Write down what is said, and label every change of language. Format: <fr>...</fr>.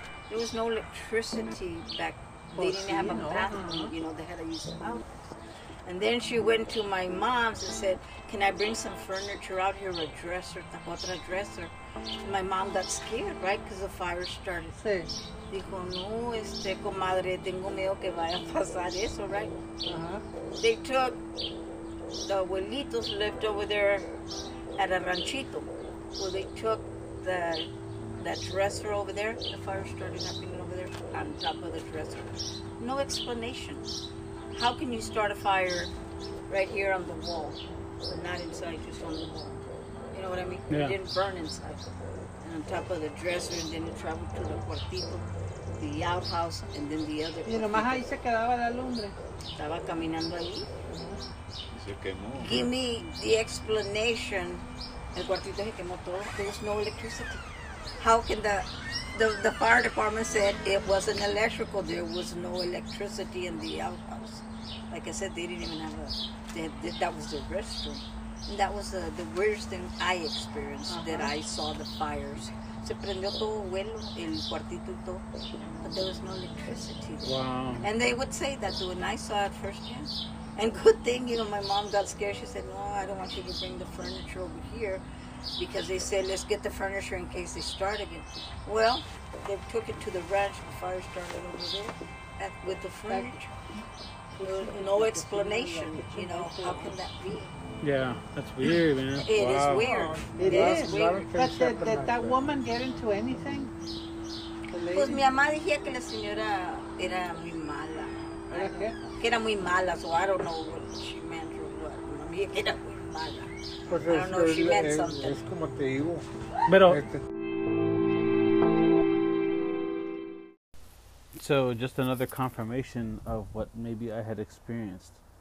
<en>There was no electricity back. They didn't have a bathroom. You know, they had to use the outhouse. And then she went to my mom's and said, "Can I bring some furniture out here? A dresser, the</en> <es>otra</es> <en>dresser." And my mom got scared, right? Because the fire started.</en> <es>Sí. Dijo, no, comadre, tengo miedo que vaya a pasar eso,</es> <en>right? They took. The</en> <es>abuelitos</es> <en>lived over there at a ranchito. Well, they took that dresser over there. The fire started happening over there on top of the dresser. No explanation. How can you start a fire right here on the wall? Not inside, just on the wall. You know what I mean? Yeah. It didn't burn inside. And on top of the dresser, and then it traveled to the</en> <es>cuartito,</es> <en>the outhouse, and then the other.</en> <es>Y nomás ahí se quedaba la lumbre. Estaba caminando ahí. Quemó,</es> <en>give me the explanation.</en> <es>El cuartito se quemó todo.</es> <en>There was no electricity. How can the fire department said it wasn't electrical? There was no electricity in the outhouse. Like I said, they didn't even have that was their restroom. And that was the worst thing I experienced, that I saw the fires.</en> <es>Se prendió todo vuelo, el cuartito y todo.</es> <en>But there was no electricity there. Wow. And they would say that too, and I saw it firsthand. And good thing, you know, my mom got scared. She said, no, I don't want you to bring the furniture over here, because they said, let's get the furniture in case they start again. Well, they took it to the ranch. The fire started over there with the furniture. No explanation, you know, how can that be? Yeah, that's weird, man. It wow. is weird. It is weird. But did that woman get into anything?</en> <es>Pues mi mamá decía que la señora era muy mala. Que era muy mala,</es> <en>so I don't know what she meant or what.</en> <es>Era muy mala. Pues</es> <en>I don't know if she meant something.</en> <es>Es como te digo. Pero</es> <en>So just another confirmation of what maybe I had experienced.</en>